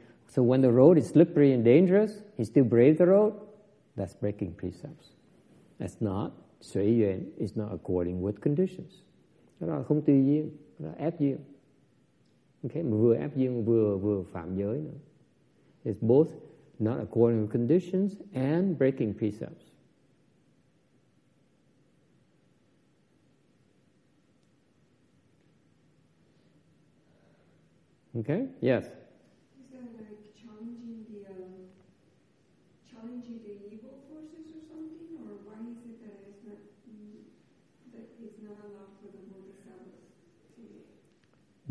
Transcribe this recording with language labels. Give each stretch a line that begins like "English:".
English: So when the road is slippery and dangerous, he still brave the road, that's breaking precepts. That's not, Sui Yuan is not according with conditions.
Vietnamese: Không tùy duyên, ép duyên. Okay, vừa ép duyên, vừa phạm giới nữa.
English: It's both not according with conditions and breaking precepts. Okay. Yes. Is that like challenging the evil forces or something, or why is it that it's not allowed for the Bodhisattvas?